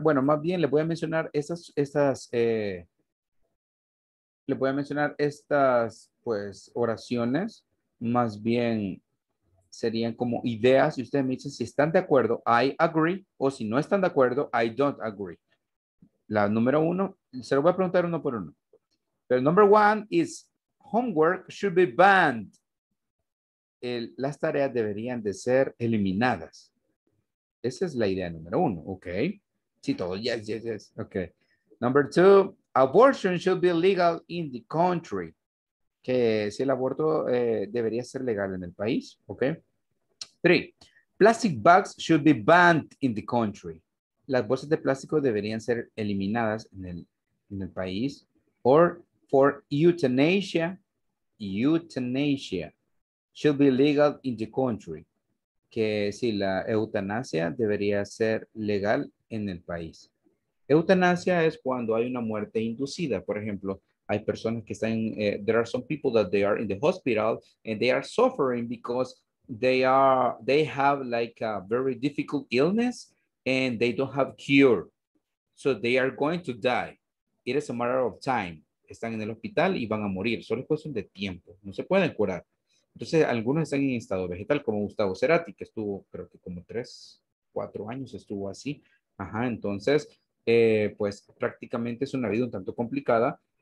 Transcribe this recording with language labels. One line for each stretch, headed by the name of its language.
Spanish: Bueno, más bien le voy a mencionar estas pues oraciones. Más bien serían como ideas. Y ustedes me dicen si están de acuerdo,
English: I agree.
Spanish: O si no están de acuerdo,
English: I don't agree.
Spanish: La número uno, se lo voy a preguntar uno por uno.
English: Pero number one is homework should be banned.
Spanish: Las tareas deberían de ser eliminadas. Esa es la idea número uno. Ok. Sí, todo. Yes, yes, yes. Ok.
English: Number two, abortion should be legal in the country.
Spanish: Que si el aborto debería ser legal en el país. Ok.
English: Three, plastic bags should be banned in the country.
Spanish: Las bolsas de plástico deberían ser eliminadas en el país.
English: Or for euthanasia, euthanasia should be legal in the country.
Spanish: Que si la eutanasia debería ser legal en el país. Eutanasia es cuando hay una muerte inducida. Por ejemplo, hay personas que están,
English: there are some people that they are in the hospital and they are suffering because they have like a very difficult illness and they don't have cure. So they are going to die. It is a matter of time.
Spanish: Están en el hospital y van a morir. Solo es cuestión de tiempo. No se pueden curar. Entonces, algunos están en estado vegetal, como Gustavo Cerati, que estuvo, creo que como 3-4 años estuvo así. Ajá, entonces, pues prácticamente es una vida un tanto complicada.